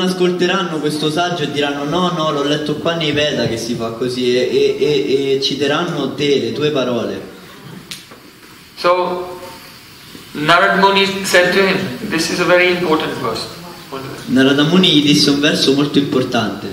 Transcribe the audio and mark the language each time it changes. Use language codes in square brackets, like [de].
[it] ascolteranno questo saggio e diranno: "No, no, l'ho letto qua nei Veda che si fa così", e citeranno te, le tue parole. [en] So Narada Muni said to him, this is a very important verse. [it] Narada Muni gli disse un verso molto importante.